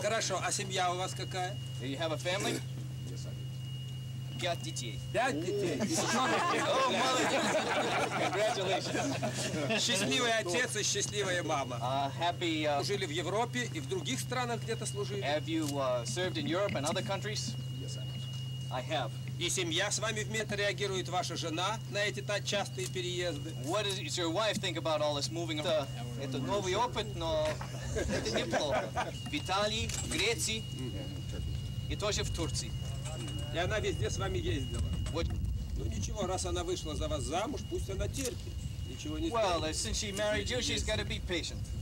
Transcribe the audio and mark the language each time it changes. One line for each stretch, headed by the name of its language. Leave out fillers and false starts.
Russian: Хорошо, а семья у вас какая?
English: Do you have a family? Yes, I do.
Russian: 5 детей. 5 детей?
English: Oh,
Russian: молодец.
English: Congratulations.
Russian: Счастливый отец и счастливая мама.
English: Happy.
Russian: Жили в Европе и в других странах где-то служили.
English: Have you served in Europe and other countries? Yes, I have. I have.
Russian: И семья с вами вместе реагирует, ваша жена, на эти так частые переезды.
English: What does your wife think about all this moving around?
Russian: Это новый опыт, но это неплохо. В Италии, в Греции и тоже в Турции. И она везде с вами ездила.
English: What?
Russian: Ну ничего, раз она вышла за вас замуж, пусть она терпит. Ничего не стоит.
English: Well, since she married you, she's got to be patient.